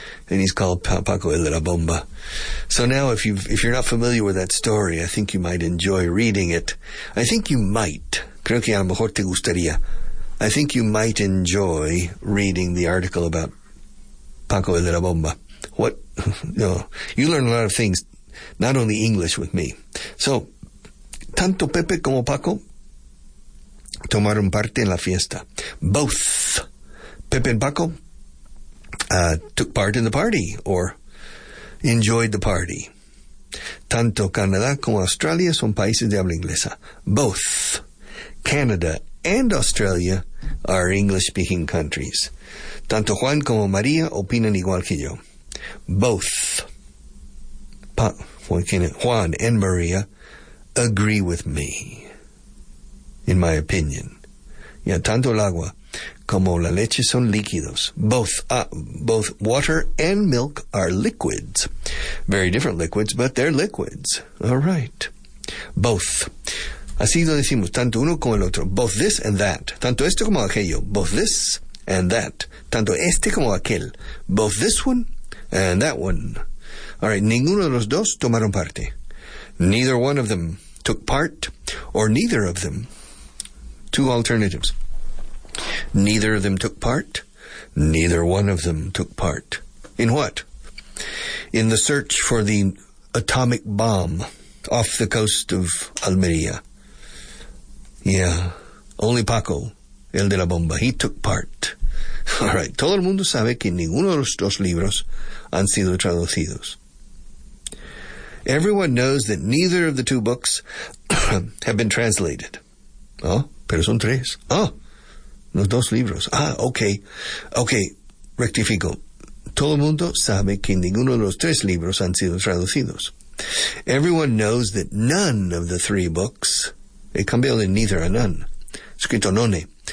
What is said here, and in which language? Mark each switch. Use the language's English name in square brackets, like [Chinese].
[English] And he's called Paco El de la Bomba. So now, if you're not familiar with that story, I think you might enjoy reading it. I think you might. [Spanish] Creo que a lo mejor te gustaría. [English] I think you might enjoy reading the article about Paco El de la Bomba. What? You know, you learn a lot of things, not only English with me. [Spanish] So, tanto Pepe como Paco tomaron parte en la fiesta. [English] Both. Pepe and Paco took part in the party, or enjoyed the party. [Spanish] Tanto Canadá como Australia son países de habla inglesa. [English] Both Canada and Australia are English-speaking countries. [Spanish] Tanto Juan como María opinan igual que yo. [English] Both Juan and María agree with me, in my opinion. [Spanish] Ya, tanto el agua como la leche son líquidos. [English] Both water and milk are liquids. Very different liquids, but they're liquids. All right. Both. [Spanish] Así lo decimos, tanto uno como el otro. [English] Both this and that. [Spanish] Tanto esto como aquello. [English] Both this and that. [Spanish] Tanto este como aquel. [English] Both this one and that one. All right. [Spanish] Ninguno de los dos tomaron parte. [English] Neither one of them took part, or neither of them. Two alternatives. Neither of them took part. Neither one of them took part. In what? In the search for the atomic bomb off the coast of Almeria. Yeah. Only Paco, el de la bomba, he took part. All right. [Spanish] Todo el mundo sabe que ninguno de los dos libros han sido traducidos. [English] Everyone knows that neither of the two books have been translated. [Spanish] Oh, pero son tres. Oh. Los dos libros. Ah, okay. Okay, rectifico. Todo el mundo sabe que ninguno de los tres libros han sido traducidos. [English] Everyone knows that none of the three books, [Spanish] he cambiado de neither a none, escrito none.